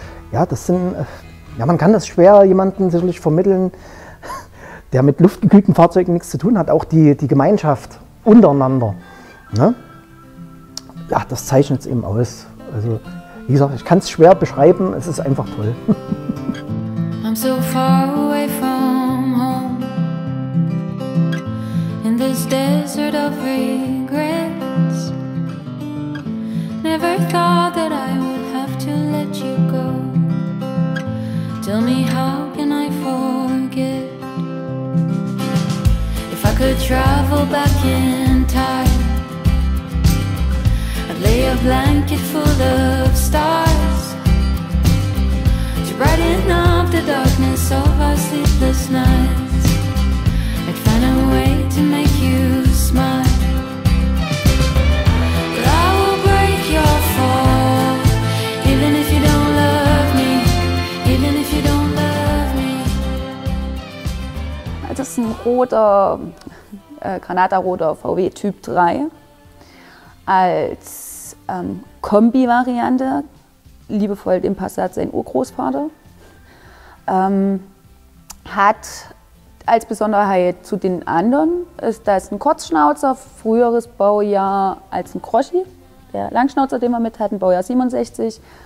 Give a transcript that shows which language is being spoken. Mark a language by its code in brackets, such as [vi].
[de] Ja, das sind, man kann das schwer jemandem sicherlich vermitteln, der mit luftgekühlten Fahrzeugen nichts zu tun hat, auch die Gemeinschaft untereinander. Ne? Ja, das zeichnet es eben aus. Also, wie gesagt, ich kann es schwer beschreiben, es ist einfach toll. [en] I'm so far away from home, in this desert of regrets. Never thought that I would have to let you go. Tell me, how can I forget? If I could travel back in time, I'd lay a blanket full of stars to brighten up the darkness of our sleepless nights. I'd find a way to make you smile. But I will break your fall, even if you don't love me, even if you don't love me. [de] Das ist ein roter, granataroter VW Typ 3. Als Kombi-Variante, liebevoll dem Passat sein Urgroßvater. Hat als Besonderheit zu den anderen, ist das ein Kurzschnauzer, früheres Baujahr als ein Groschi, der Langschnauzer, den wir mit hatten, Baujahr 67.